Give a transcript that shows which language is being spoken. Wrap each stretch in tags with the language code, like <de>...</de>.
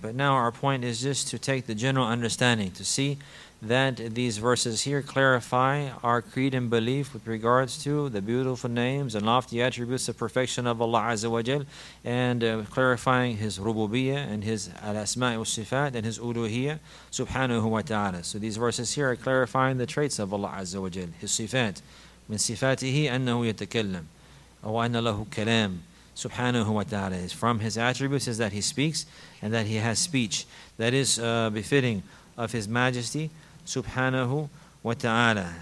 <en>But now our point is just to take the general understanding, to see that these verses here clarify our creed and belief with regards to the beautiful names and lofty attributes of perfection of Allah Azza wa Jal, and clarifying His Rububiyyah and His Al-Asma'i wa Sifat and His Uluhiyyah Subhanahu wa Ta'ala. So these verses here are clarifying the traits of Allah Azza wa Jal, His Sifat.</en> <ar>من صفاته أنه يتكلم أو أن له كلام Subhanahu wa ta'ala.</ar> <en>Is from His attributes is that He speaks and that He has speech. That is befitting of His Majesty Subhanahu wa ta'ala.</en>